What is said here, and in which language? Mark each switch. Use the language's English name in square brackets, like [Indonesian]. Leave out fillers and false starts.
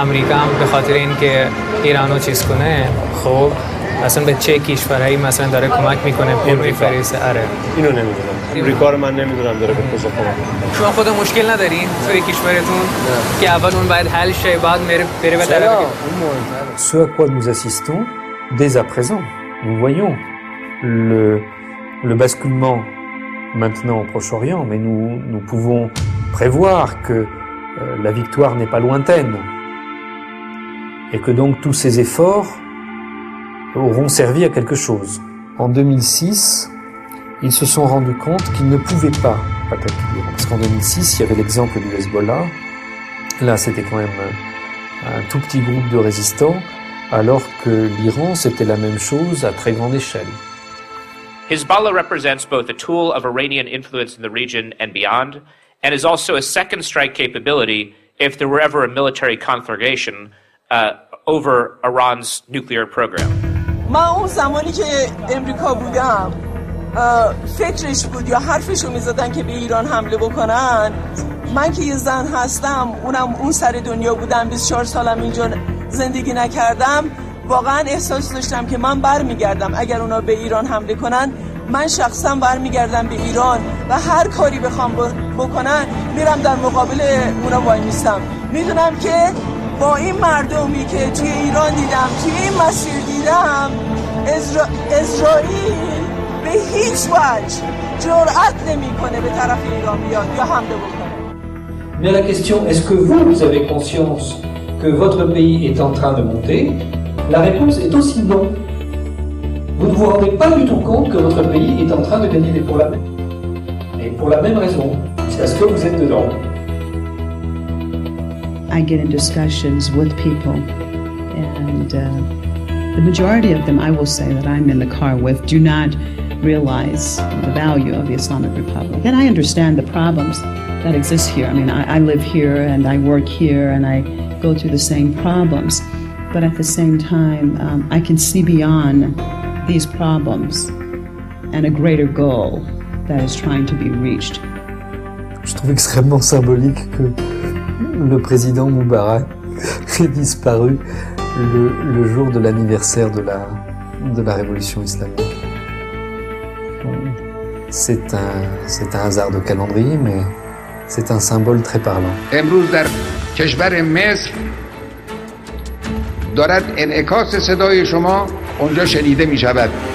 [Persian] امریکا هم به خاطر اینکه ایرانو چیز کنه، خب اصلا به چه کشورهایی مثلا داره کمک میکنه؟ امریکا. آره. اینو نمیدونم. امریکا رو من نمیدونم داره به کجا کمک میکنه. شما خودت مشکل نداری توی کشورتون؟ که اول اون باید حل شه بعد بره به طرف دیگه. [French] Ce à quoi nous assistons dès à présent, nous voyons le basculement maintenant au Proche-Orient, mais nous pouvons prévoir que la victoire n'est pas lointaine et que donc tous ces efforts auront servi à quelque chose. En 2006, ils se sont rendus compte qu'ils ne pouvaient pas attaquer l'Iran. Parce qu'en 2006, il y avait l'exemple du Hezbollah. Là, c'était quand même un tout petit groupe de résistants, alors que l'Iran, c'était la même chose à très grande échelle. [English] Hezbollah represents both a tool of Iranian influence in the region and beyond, and is also a second strike capability if there were ever a military conflagration over Iran's nuclear program. [Persian] من اون زمانی که امریکا بودم فکرش بود یا حرفشو میزدن که به ایران حمله بکنن، من که یه زن هستم اونم اون سر دنیا بودم 24 سالم اینجا زندگی نکردم، واقعا احساس داشتم که من برمیگردم اگر اونا به ایران حمله کنن، من شخصا برمیگردم به ایران و هر کاری بخوام بکنن میرم در مقابل اونا وای میستم. میدونم که با این مردمی که توی ایران دیدم، توی این مسیر دیدم، اسرائیل به هیچ وجه جرأت نمیکنه به طرف ایران بیاد یا حمله بکنه. [French] Mais la question est-ce que vous avez conscience que votre pays est en train de monter? La réponse est aussi non. Vous ne vous rendez pas du tout compte que votre pays est en train de gagner des problèmes. Et pour la même raison, c'est parce que vous êtes dedans. [English] I get in discussions with people, and the majority of them, I will say that I'm in the car with, do not realize the value of the Islamic Republic. And I understand the problems that exist here. I mean, I live here and I work here and I go through the same problems. But at the same time, I can see beyond these problems and a greater goal that is trying to be reached. [French] Je trouve extrêmement symbolique que le président Moubarak ait disparu le jour de l'anniversaire de la révolution islamique. C'est un hasard de calendrier, mais c'est un symbole très parlant. [Persian] دارد انعکاس صدای شما اونجا شنیده می شود.